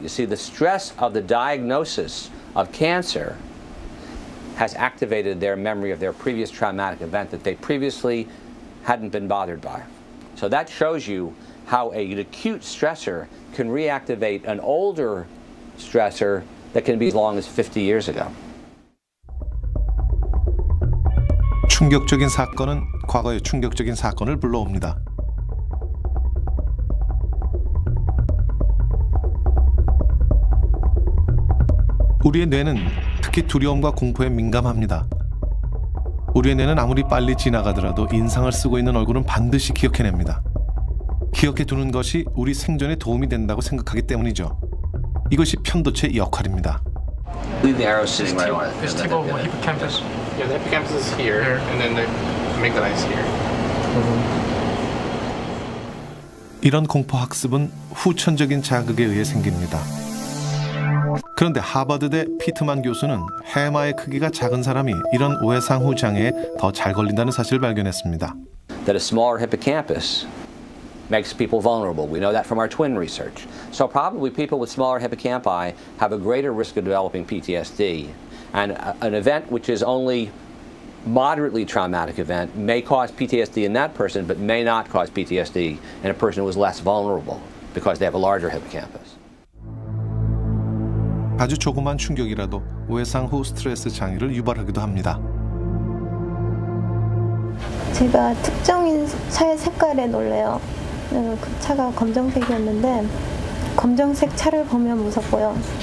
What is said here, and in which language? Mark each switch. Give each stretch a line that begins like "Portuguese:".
English: You see, the stress of the diagnosis of cancer has activated their memory of their previous traumatic event that they previously hadn't been bothered by. So that shows you how an acute stressor can reactivate an older stressor that can be as long as 50 years ago.
Korean: 충격적인 사건은 과거의 충격적인 사건을 불러옵니다. 우리의 뇌는 특히 두려움과 공포에 민감합니다. 우리의 뇌는 아무리 빨리 지나가더라도 인상을 쓰고 있는 얼굴은 반드시 기억해냅니다. 기억해 두는 것이 우리 생존에 도움이 된다고 생각하기 때문이죠. 이것이 편도체 역할입니다.
English: Leave the arrow sitting right on it. This table of hippocampus. Yeah, the hippocampus is here, and then the amygdala is here.
Korean: 이런 공포 학습은 후천적인 자극에 의해 생깁니다. 그런데 하버드대 피트만 교수는 해마의 크기가 작은 사람이 이런 외상 후 장애에 더 잘 걸린다는 사실을 발견했습니다.
English: That a smaller hippocampus makes people vulnerable. We know that from our twin research. So probably people with smaller hippocampi have a greater risk of developing PTSD. And an event which is only moderately traumatic event may cause PTSD in that person, but may not cause PTSD in a person who is less vulnerable because they have a larger hippocampus.
Korean: 아주 조그만 충격이라도 외상 후 스트레스 장애를 유발하기도 합니다. 제가 특정인 차의 색깔에 놀래요. 그 차가 검정색이었는데 검정색 차를 보면 무섭고요.